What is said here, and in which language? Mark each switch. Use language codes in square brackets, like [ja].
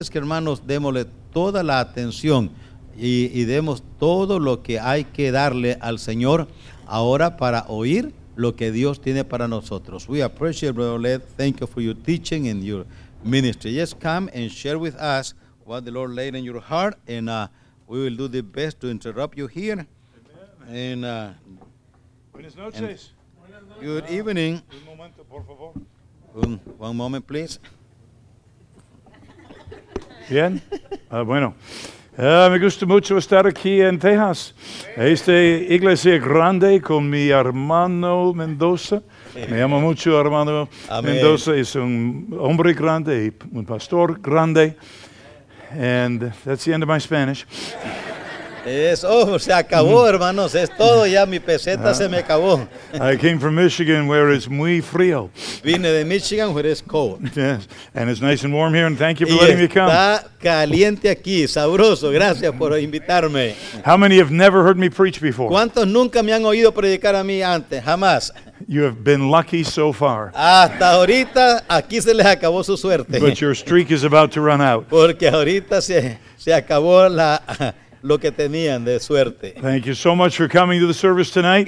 [es] Es que hermanos, démosle toda la atención y demos todo lo que hay que darle al Señor ahora para oír lo que Dios tiene para nosotros. [en] We appreciate, Brother Led. Thank you for your teaching and your ministry. Just come and share with us what the Lord laid in your heart, and we will do the best to interrupt you here. Amen. [es] Buenas noches. [en] Good evening. [es] Un momento, por favor. [en] One moment, please. [es] Bien, bueno, me gusta mucho estar aquí en Texas, esta iglesia grande con mi hermano Mendoza. Me llamo mucho hermano Mendoza, es un hombre grande, un pastor grande, [en] and that's the end of my Spanish. [es] Se acabó, hermanos, es todo ya, mi peseta se me acabó. [en] I came from Michigan, where it's [es] muy frío. Vine de Michigan, [en] where it's cold. Yes, and it's nice and warm here, and thank you for letting me come. [es] Está caliente aquí, sabroso, gracias por invitarme. [en] How many have never heard me preach before? [es] ¿Cuántos nunca me han oído predicar a mí antes? Jamás. [en] You have been lucky so far. [es] Hasta ahorita, aquí se les acabó su suerte. [en] But your streak is about to run out. [es] Porque ahorita se acabó la... lo que tenían de suerte. [en] Thank you so much for coming to the service tonight.